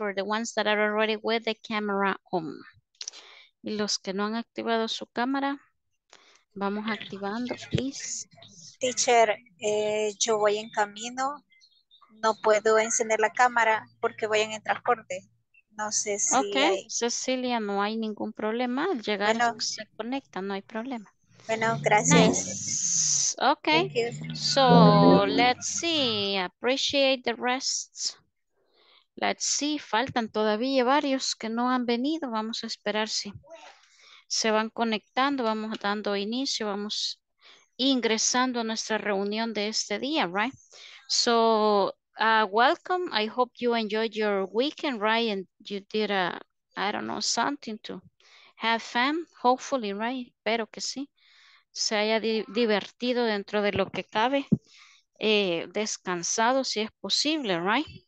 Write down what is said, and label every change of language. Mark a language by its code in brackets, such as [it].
[en] For the ones that are already with the camera on. [es] Y los que no han activado su cámara, vamos activando, [en] please. Teacher, [es] yo voy en camino. No puedo encender la cámara porque voy en el transporte. No sé si okay, hay... Cecilia, no hay ningún problema. Al llegar bueno, se conecta, no hay problema. Bueno, gracias. [en] Nice. Okay. Thank you. So, let's see. Appreciate the rest. Let's see. [es] Faltan todavía varios que no han venido. Vamos a esperar si se van conectando. Vamos dando inicio. Vamos ingresando a nuestra reunión de este día, [en] right? So, welcome. I hope you enjoyed your weekend, right? And you did, I don't know, something to have fun. Hopefully, right? [es] Espero que sí. Se haya divertido dentro de lo que cabe, descansado si es posible, [en] right?